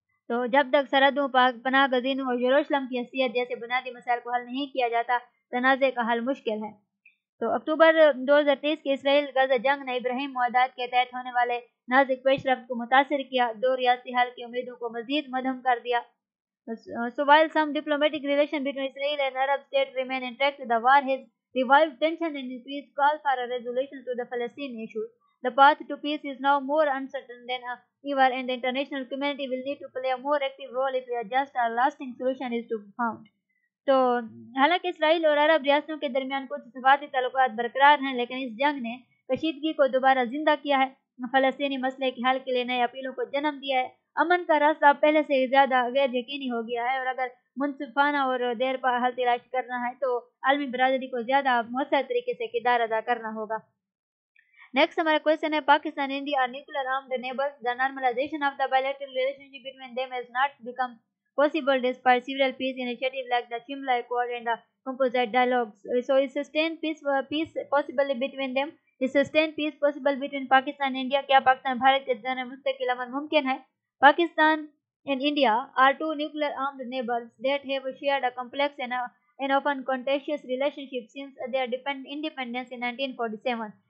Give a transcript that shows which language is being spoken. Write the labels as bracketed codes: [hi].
[ur] تو جب تک سرحدوں پاک پناہ گزینوں اور یروشلم کی حیثیت جیسے بنیادی مسائل کو حل نہیں کیا جاتا, تنازع کا حل مشکل ہے. تو اکتوبر 2023 کے اسرائیل غزہ جنگ نے ابراہیم معاہدات کے تحت ہونے والے نازک پیش رفت کو متاثر کیا, دو ریاستی حل کی امیدوں کو مزید مدھم کر دیا. [en] So while some diplomatic relations between Israel and Arab states remain intact, the war has revived tension and increased call for a resolution to the Palestinian issue. The path to peace is now more uncertain than ever, and the international community will need to play a more active role if a just or lasting solution is to be found. [ur] تو حالانکہ اسرائیل اور عرب ریاستوں کے درمیان کچھ ثباتی تعلقات برقرار ہیں, لیکن اس جنگ نے کشیدگی کو دوبارہ زندہ کیا ہے, فلسطینی مسئلے کے حل کے لیے نئے اپیلوں کو جنم دیا ہے. امن کا راستہ پہلے سے زیادہ غیر یقینی ہو گیا ہے, اور اگر منصفانہ اور دیر پا حل تلاش کرنا ہے تو عالمی برادری کو زیادہ مؤثر طریقے سے کردار ادا کرنا ہوگا. نیکسٹ ہمارا کوئسچن ہے, [en] Pakistan India are nuclear armed neighbours, the normalisation of the bilateral relationship between them has not become possible despite several peace initiatives like the Shimla Accord and the composite dialogues. So is sustained peace possible between them? Is sustained peace possible between Pakistan and India? [ur] Kya Pakistan Bharat ke dhan mustaqil aman mumkin hai? [en] Pakistan and India are two nuclear armed neighbors that have shared a complex and often contentious relationship since their independence in 1947.